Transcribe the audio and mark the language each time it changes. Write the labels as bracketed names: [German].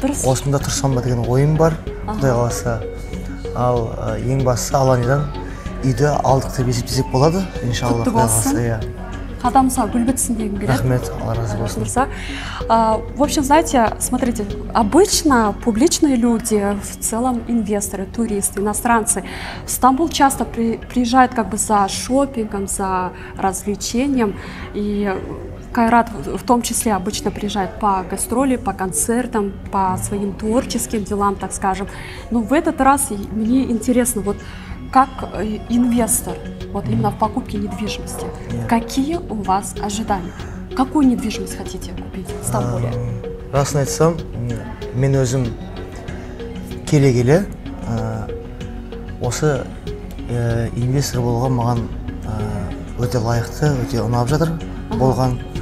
[Kazakh] Осында тұрсам ба деген ойым бар, құдай қаласа. Ал ең бастысы Аланиядан үйді алдық деп есептесек болады, иншалла. Құтты болсын. Қадам сау, гүл бітсін дегім келеді. Рахмет, Алла разы болсын. [Russian] В общем, знаете, смотрите, обычно публичные люди, в целом инвесторы, туристы, иностранцы, в Стамбул часто приезжают как бы за шопингом, за развлечением. И Кайрат в том числе обычно приезжает по гастроли, по концертам, по своим творческим делам, так скажем. Но в этот раз мне интересно, вот как инвестор, вот именно в покупке недвижимости, какие у вас ожидания? Какую недвижимость хотите купить в Стамбуле? [Kazakh] Расын айтсам, мен өзім келе-келе осы инвестор болуға маған өте лайықты, өте ұнап жатыр болған.